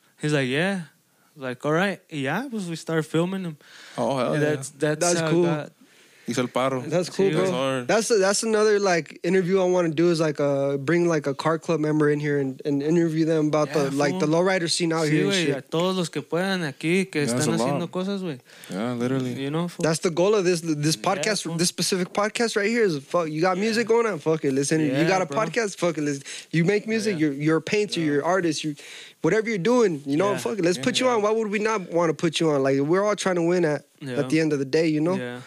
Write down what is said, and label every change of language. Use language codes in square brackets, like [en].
[en] He's like, yeah. I was like, all right. Yeah, we started filming them. Oh, hell yeah. That's cool. [es] Hizo el paro. [en] That's cool, bro. That's another like interview I want to do is like bring like a car club member in here and interview them about the lowrider scene out here. [es] Sí, a todos los que puedan aquí que están haciendo cosas, güey. [en] Yeah, literally. You know, that's the goal of this podcast. Yeah, this specific podcast right here is fuck. You got music going on? Fuck it, listen. Yeah, you got a podcast? Fuck it, listen. You make music? Yeah. You're a painter. Yeah. You're an artist. You, whatever you're doing, you know. Yeah. Fuck it, let's put you on. Why would we not want to put you on? Like we're all trying to win at the end of the day, you know.